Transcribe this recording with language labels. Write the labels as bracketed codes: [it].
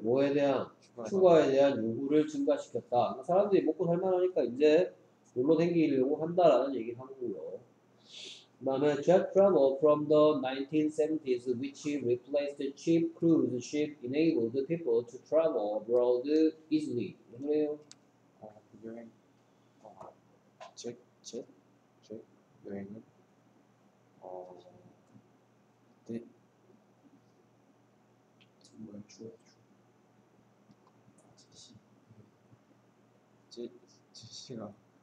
[ko] 뭐에 대한 추가에 대한 요구를 증가시켰다. 사람들이 먹고 살만하니까 이제 놀러 다니려고 한다라는 얘기를 하는 거예요. 그다음에 [en] jet travel from the 1970s, which replaced cheap cruise ship, enabled people to travel abroad easily. [ko] 그래요? 여행, 여행은 그때 정말 제시가